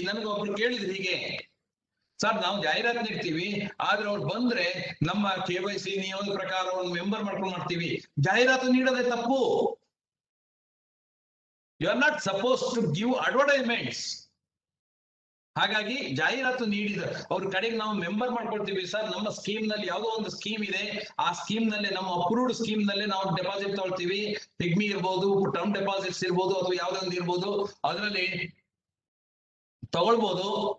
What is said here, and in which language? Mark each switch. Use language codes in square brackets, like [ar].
[kn] ನನಗೆ ಒಬ್ರು ಕೇಳಿದ್ರು ಹೀಗೆ, ಸರ್ ನಾವು ಜಾಹೀರಾತು ನೀಡ್ತೀವಿ ಆದ್ರೆ ಅವ್ರು ಬಂದ್ರೆ ನಮ್ಮ KYC ನಿಯಮದ ಪ್ರಕಾರ ಅವ್ರನ್ನ ಮೆಂಬರ್ ಮಾಡ್ಕೊಂಡು ಮಾಡ್ತೀವಿ. ಜಾಹೀರಾತು ನೀಡೋದೇ ತಪ್ಪು. [en] You are not supposed to give advertisements. [kn] ಹಾಗಾಗಿ ಜಾಹೀರಾತು ನೀಡಿದ ಅವ್ರ ಕಡೆಗೆ ನಾವು ಮೆಂಬರ್ ಮಾಡ್ಕೊಳ್ತೀವಿ, ಸರ್ ನಮ್ಮ ಸ್ಕೀಮ್ ನಲ್ಲಿ ಯಾವುದೋ ಒಂದು ಸ್ಕೀಮ್ ಇದೆ, ಆ ಸ್ಕೀಮ್ ನಲ್ಲಿ ನಮ್ಮ ಅಪ್ರೂವ್ಡ್ ಸ್ಕೀಮ್ ನಲ್ಲಿ ನಾವು ಡೆಪಾಸಿಟ್ ತಗೊಳ್ತೀವಿ. ಪಿಗ್ಮಿ ಇರ್ಬೋದು, ಟರ್ಮ್ ಡೆಪಾಸಿಟ್ಸ್ ಇರ್ಬೋದು, ಅಥವಾ ಯಾವ್ದೋ ಒಂದು ಇರ್ಬೋದು, ಅದರಲ್ಲಿ ತಗೊಳ್ಬೋದು.